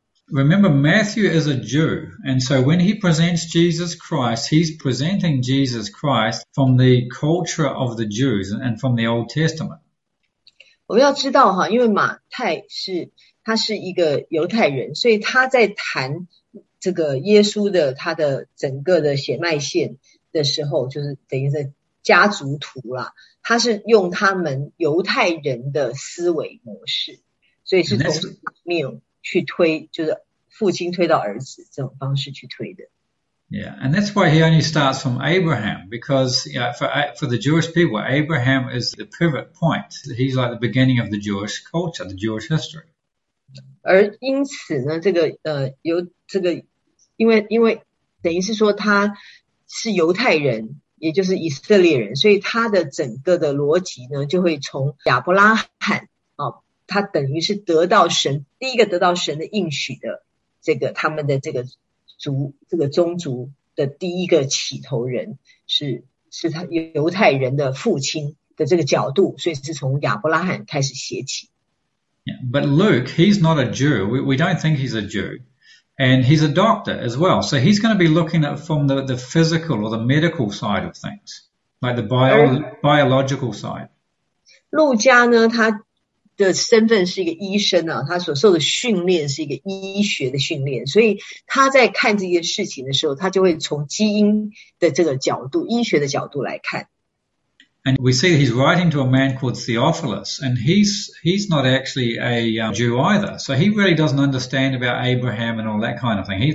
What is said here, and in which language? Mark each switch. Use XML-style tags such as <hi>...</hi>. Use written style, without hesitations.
<en>Remember, Matthew is a Jew, and so when he presents Jesus Christ, he's presenting Jesus Christ from the culture of the Jews and from the Old Testament.</en> <zh>我们要知道哈，因为马太他是一个犹太人，所以他在谈这个耶稣的他的整个的血脉线的时候，就是等于是家族图啦，他是用他们犹太人的思维模式，所以是</zh> <en>And</en> <zh>从面去推，就是父亲推到儿子这种方式去推的。</zh> <en>That's why he only starts from Abraham, because for the Jewish people, Abraham is the pivot point. He's like the beginning of the Jewish culture, the Jewish history.</en> <zh>而因此呢，这个由这个。因为等于是说他是犹太人，也就是以色列人，所以他的整个的逻辑呢，就会从亚伯拉罕哦，他等于是得到神第一个得到神的应许的这个他们的这个族这个宗族的第一个起头人是他犹太人的父亲的这个角度，所以是从亚伯拉罕开始写起。</zh> <en>But Luke, he's not a Jew. We don't think he's a Jew. And he's a doctor as well. So he's going to be looking at it from the physical or the medical side of things, like the biological side.</en> <zh>路加呢，他的身份是一个医生呢，他所受的训练是一个医学的训练，所以他在看这件事情的时候，他就会从基因的这个角度、医学的角度来看。</zh> <en>And we see that he's writing to a man called Theophilus, and he's not actually a Jew either. So he really doesn't understand about Abraham and all that kind of thing.</en>